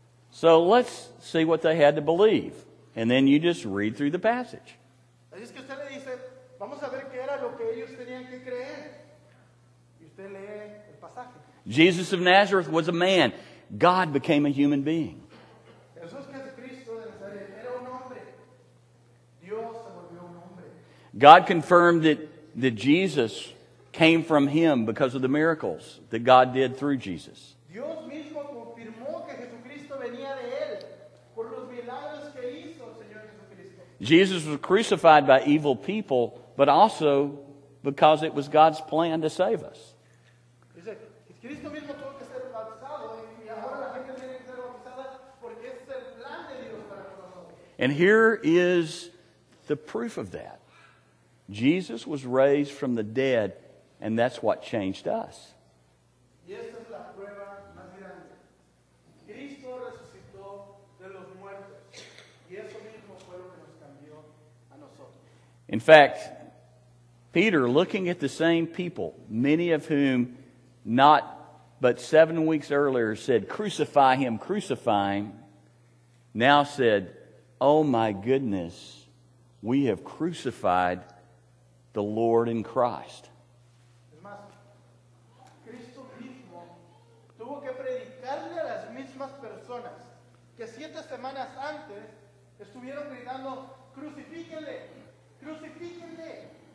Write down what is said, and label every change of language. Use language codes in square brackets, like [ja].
[en] So let's see what they had to believe. And then you just read through the passage. [es] Así es que usted le dice, vamos a ver qué era lo que ellos tenían que creer. Y usted lee el pasaje. [en] Jesus of Nazareth was a man. God became a human being. [es] Jesús Cristo de Nazaret era un hombre. Dios se volvió un hombre. [en] God confirmed that Jesus came from him because of the miracles that God did through Jesus. [es] Dios mismo confirmó que Jesucristo venía de él por los milagros que hizo el Señor Jesucristo. [en] Jesus was crucified by evil people, but also because it was God's plan to save us. [es] Cristo mismo tuvo que ser bautizado y ahora la gente tiene que ser bautizada porque es el plan de Dios para nosotros. [en] And here is the proof of that. Jesus was raised from the dead, and that's what changed us. [es] Y esta es la prueba más grande. Cristo resucitó de los muertos, y eso mismo fue lo que nos cambió a nosotros. [en] In fact, Peter, looking at the same people, many of whom but 7 weeks earlier said, crucify him, crucify him, now said, oh my goodness, we have crucified the Lord in Christ. [es] Es más, Cristo mismo tuvo que predicarle a las mismas personas que 7 semanas antes estuvieron gritando, crucifíquenle, crucifíquenle.